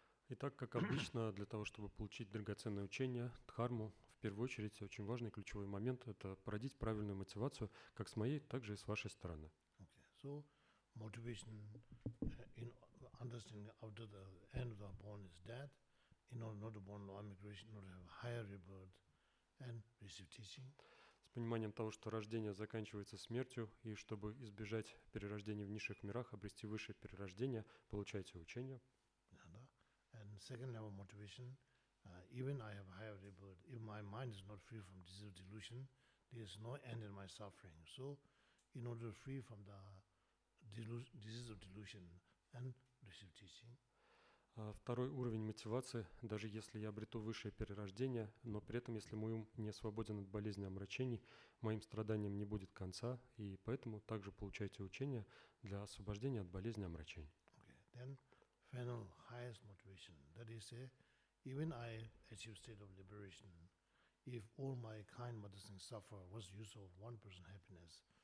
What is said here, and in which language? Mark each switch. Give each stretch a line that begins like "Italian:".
Russian: Итак, как обычно, для того, чтобы получить драгоценное учение, дхарму, в первую очередь, очень важный ключевой момент – это породить правильную мотивацию, как с моей, так же и с вашей стороны.
English: Okay. So, motivation in understanding after the end of the born is death, in order not to born law migration, in order to have higher rebirth, and receive teaching.
Russian: С пониманием того, что рождение заканчивается смертью, и чтобы избежать перерождения в низших мирах, обрести высшее перерождение, получайте учение.
English: And second level motivation, even I have higher rebirth, if my mind is not free from disease delusion, there is no end in my suffering. So, in order to be free from the disease of delusion and receive teaching.
Russian: Второй уровень мотивации, даже если я обрету высшее перерождение, но при этом, если мой ум не освободен от болезни омрачений, моим страданиям не будет конца, и поэтому также получайте учение для освобождения от болезни омрачений.
English: Okay. Then, final, highest motivation. That is, even I achieve state of liberation, if all my kind mothers and suffer, what's the use of one person's happiness?